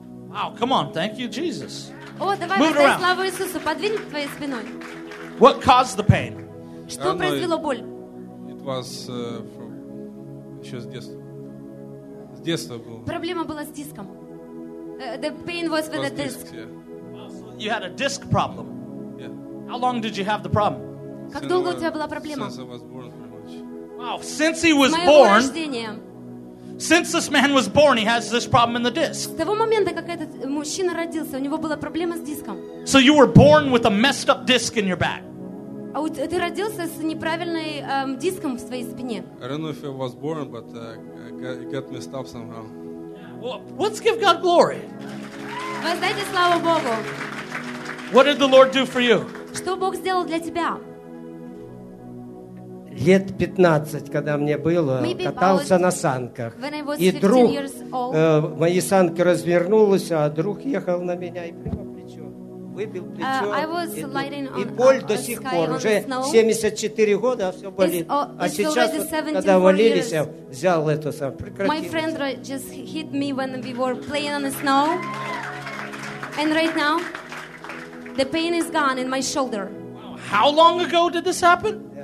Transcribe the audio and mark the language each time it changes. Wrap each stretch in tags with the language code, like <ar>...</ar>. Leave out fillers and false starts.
<en>Wow, come on, thank you, Jesus.</en> <ru>О, давай, воздай славу Иисусу, подвинь твоей спиной.</ru> <en>What caused the pain?</en> <ru>Что произвело боль?</ru> <en>It was from</en> <ru>еще с детства. С детства было. Проблема была с диском.</ru> <en>The pain was with the disc. You had a disc problem. Yeah. How long did you have the problem?</en> <ru>Как долго у тебя была проблема?</ru> <en>Since I was born. Wow, since he was born.</en> <ru>С моего рождения.</ru> <en>Since this man was born, he has this problem in the disc.</en> <ru>С того момента, как этот мужчина родился, у него была проблема с диском.</ru> <en>So you were born with a messed up disc in your back.</en> <ru>А вот ты родился с неправильной диском в своей спине.</ru> <en>I don't know if I was born, but it got messed up somehow. Well, let's give God glory.</en> <ru>Воздайте славу Богу.</ru> <en>What did the Lord do for you?</en> <ru>Что Бог сделал для тебя? Лет 15, когда мне было, катался на санках. И вдруг мои санки развернулись, а друг ехал на меня и прямо плечо. Выбил плечо. И боль до сих пор. Уже 74 года, а все болит. А сейчас, когда валились, я взял эту санку. Прекратилось.</ru> <en>My friend just hit me when we were playing on the snow. And right now, the pain is gone in my shoulder. How long ago did this happen?</en>